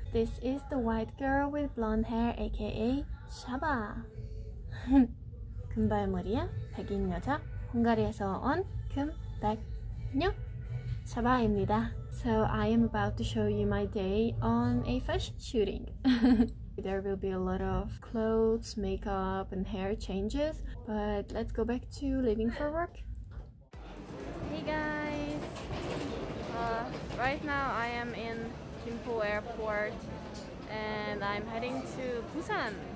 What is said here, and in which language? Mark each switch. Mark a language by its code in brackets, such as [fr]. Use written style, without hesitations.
[en] This is the white girl with blonde hair, aka Saba. [ko] 금발머리야, 백인 여자, 헝가리에서 온 금백녀, Saba입니다. [en] So I am about to show you my day on a fashion shooting. There will be a lot of clothes, makeup, and hair changes, but let's go back to leaving for work. Hey guys! Right now I am in Gimpo Airport and I'm heading to Busan.